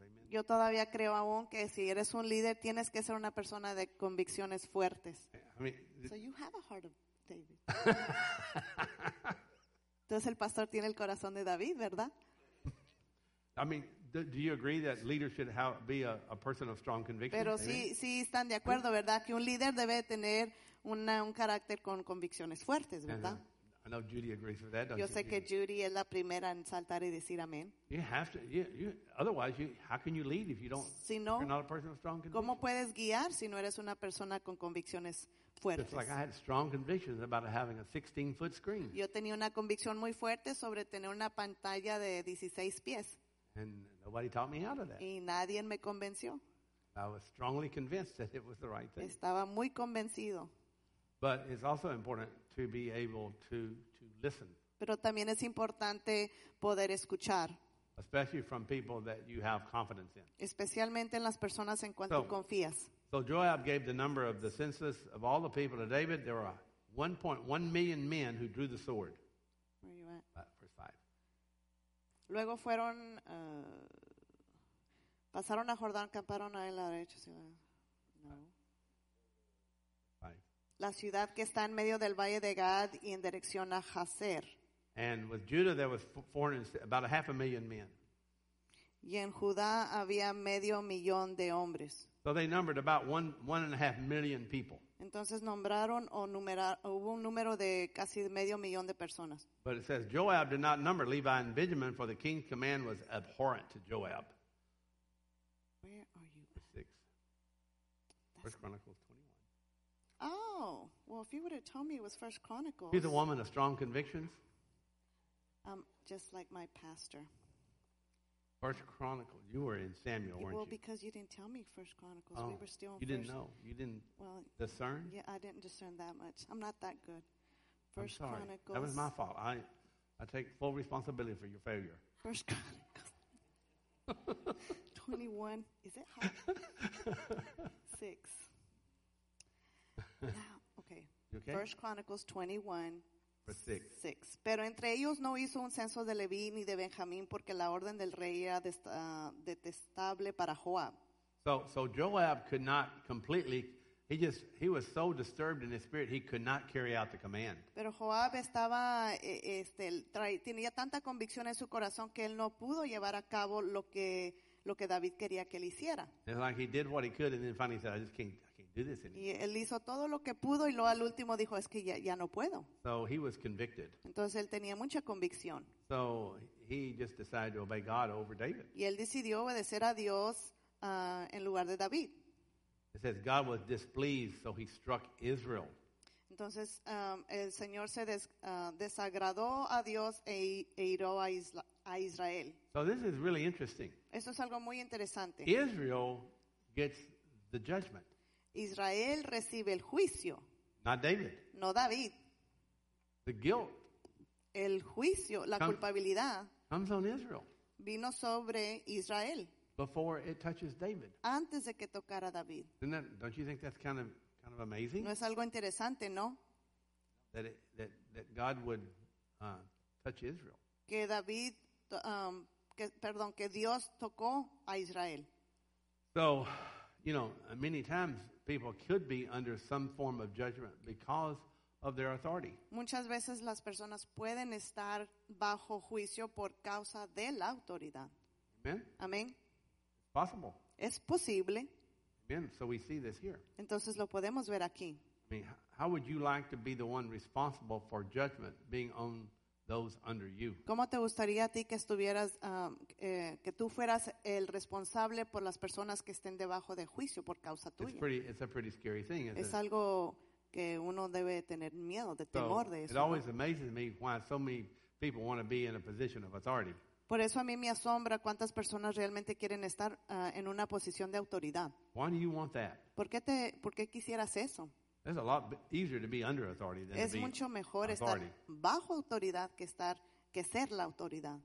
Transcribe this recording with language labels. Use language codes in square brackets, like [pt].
[en] Amen. [es] Yo todavía creo aún que si eres un líder, tienes que ser una persona de convicciones fuertes. [en] I mean, so you have a heart of David. [es] Entonces el pastor tiene el corazón de David, ¿verdad? [en] I mean, do you agree that leaders should be a person of strong convictions? [es] Pero sí, sí están de acuerdo, ¿verdad? Que un líder debe tener un carácter con convicciones fuertes, ¿verdad? Uh-huh. [en] I know Judy agrees with that, don't [es] yo [en] you? [es] Sé que Judy es la primera en saltar y decir amén. [en] You have to, you, otherwise, you, how can you lead if you don't, [es] si no, [en] you're not a person of strong convictions? [es] ¿Cómo puedes guiar si no eres una persona con convicciones fuertes? [en] It's like I had strong convictions about having a 16-foot screen. [es] Yo tenía una convicción muy fuerte sobre tener una pantalla de 16 pies. [en] And nobody taught me how to that. [es] Y nadie me convenció. [en] I was strongly convinced that it was the right thing. [es] Estaba muy convencido. [en] But it's also important to be able to listen. [es] Pero también es importante poder escuchar. [en] Especially from people that you have confidence in. [es] Especialmente en las personas en cuanto confías. [en] So Joab gave the number of the census of all the people to David. There were 1.1 million men who drew the sword. Where are you at? Verse 5. [es] Luego fueron, pasaron a Jordán, camparon a la derecha. No. La ciudad que está en medio del valle de Gad y en dirección a Jazer. [en] And with Judah there was about a half a million men. [es] Y en Judá había medio millón de hombres. [en] So they numbered about one and a half million people. [es] Entonces nombraron o numeraron, hubo un número de casi medio millón de personas. [en] But it says Joab did not number Levi and Benjamin, for the king's command was abhorrent to Joab. Where are you? Verse 6. First Chronicles. Oh, well, if you would have told me it was First Chronicles. She's a woman of strong convictions. Just like my pastor. First Chronicles. You were in Samuel, weren't you? Well, because you didn't tell me First Chronicles. Oh, we were still in you first. Didn't know. You didn't discern? Yeah, I didn't discern that much. I'm not that good. First I'm sorry. Chronicles. That was my fault. I take full responsibility for your failure. First Chronicles. 21. Is it hot? 6. Okay. First Chronicles 21, verse 6. [es] Pero entre ellos no hizo un censo de Leví ni de Benjamín, porque la orden del rey era detestable para Joab. [en] So Joab could not completely, he was so disturbed in his spirit, he could not carry out the command. [es] Pero Joab estaba, tenía tanta convicción en su corazón que él no pudo llevar a cabo lo que David quería que él hiciera. [en] It's like he did what he could and then finally said, I just can't. do this anymore. [es] Y él hizo todo lo que pudo y luego al último dijo, es que ya no puedo. [en] So he was convicted. [es] Entonces él tenía mucha convicción. [en] So he just decided to obey God over David. [es] Y él decidió obedecer a Dios en lugar de David. [en] It says God was displeased, so he struck Israel. [es] Entonces el Señor se desagradó a Dios e hirió a Israel. [en] So this is really interesting. [es] Esto es algo muy interesante. [en] Israel gets the judgment. [es] Israel recibe el juicio. [en] Not David. [es] No David. [en] The guilt. [es] El juicio, la culpabilidad. [en] Comes on Israel. [es] Vino sobre Israel. [en] Before it touches David. [es] Antes de que tocara David. [en] Don't you think that's kind of amazing? [es] No es algo interesante, ¿no? [en] That God would touch Israel. [es] Que David, que Dios tocó a Israel. [en] So, you know, many times people could be under some form of judgment because of their authority. [es] Muchas veces las personas pueden estar bajo juicio por causa de la autoridad. [en] Amen. Amen. Possible. [es] Es posible. [en] Amen. So we see this here. [es] Entonces lo podemos ver aquí. [en] I mean, how would you like to be the one responsible for judgment being on those under you? [es] ¿Cómo te gustaría a ti que estuvieras, que tú fueras el responsable por las personas que estén debajo de juicio por causa tuya? [en] It's a pretty scary thing, isn't it? [es] Es algo que uno debe tener miedo, de temor de eso. [en] It always amazes me why so many people want to be in a position of authority. [es] Por eso a mí me asombra cuántas personas realmente quieren estar en una posición de autoridad. [en] Why do you want that? [es] ¿Por qué quisieras eso? [en] It's a lot easier to be under authority than [es] es mucho mejor [en] authority. [es] Estar bajo autoridad que ser la autoridad.